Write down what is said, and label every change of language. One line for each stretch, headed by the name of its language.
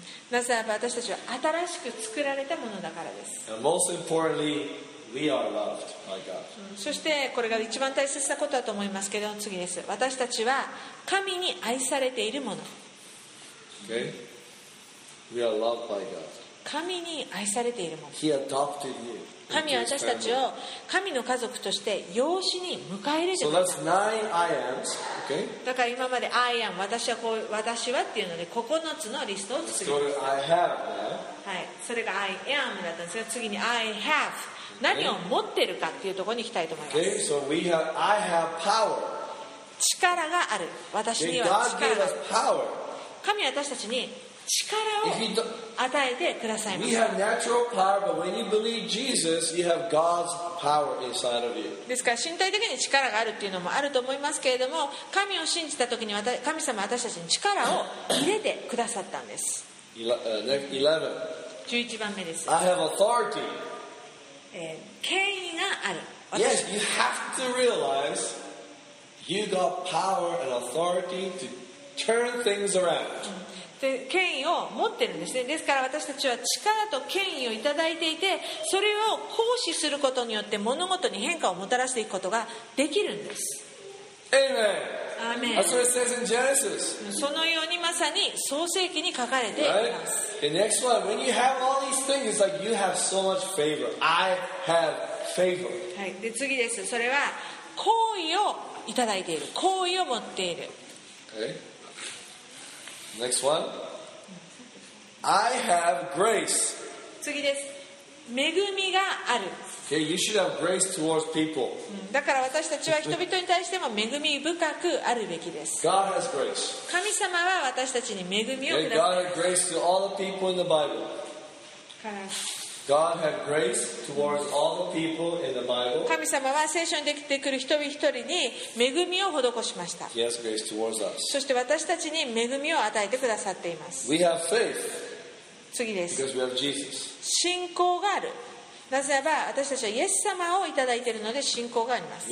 Japanese: なぜならば私たちは新しく作られたものだからです。
English: And most importantly, we are loved by God.
Japanese: そしてこれが一番大切なことだと思いますけど、次です。私たちは神に愛されているもの。
English: Okay. We are loved by God.
Japanese: 神に愛されているもの。
English: He adopted you.
Japanese: 神は私たちを神の家族として養子に迎え入れてく
English: れた。 So that's nine I ams, okay?
Japanese: だから今まで
English: I am、
Japanese: 私はこう、私はっていうので9つのリストを作りました
English: 。 So I have, right?
Japanese: はい、それが
English: I am
Japanese: だったんですが、次に
English: I have、
Japanese: 何を持ってるかっていうところに行きたいと思います。
English: Okay, so we have, I have power.
Japanese: 力がある。私には力がある。
English: God gave us power.
Japanese: 神は私たちに力を与えてくださいます。
English: We have natural power, but when you believe Jesus, you have God's power inside of you.
Japanese: ですから身体的に力があるっていうのもあると思いますけれども、神を信じた時に神様は私たちに力を入れてくださったんです。 11 番目です。
English: I have authority.
Japanese: 権威がある。
English: Yes, you have to realize you got power and authority to turn things around.
Japanese: で、権威を持ってるんですね。ですから私たちは力と権威をいただいていて、それを行使することによって物事に変化をもたらしていくことができるんです。
English: Amen. Amen. That's what it says in Genesis.
Japanese: そのようにまさに創世記に書かれています、
English: right? The next one, when you have all these things, it's like you have so much favor. I have favor.、
Japanese: はい、で次です。それは好意をいただいている、好意を持っている。
English: OkayNext one. I have grace.
Japanese: 次です。恵みがある。
English: Okay, you should have grace towards people.
Japanese: だから私たちは人々に対しても恵み深くあるべきです。
English: God has grace.
Japanese: 神様は私たちに恵みをください
English: God had grace to all the people in the Bible. God had grace towards all the people in the Bible.
Japanese: 神様は聖書に出てくる人々一人に恵みを施しました。
English: He has grace towards us.
Japanese: そして私たちに恵みを与えてくださっています。
English: We have faith.
Japanese: 次です。
English: Because we have Jesus.
Japanese: 信仰がある。なぜならば私たちはイエス様をいただいているので信仰があります。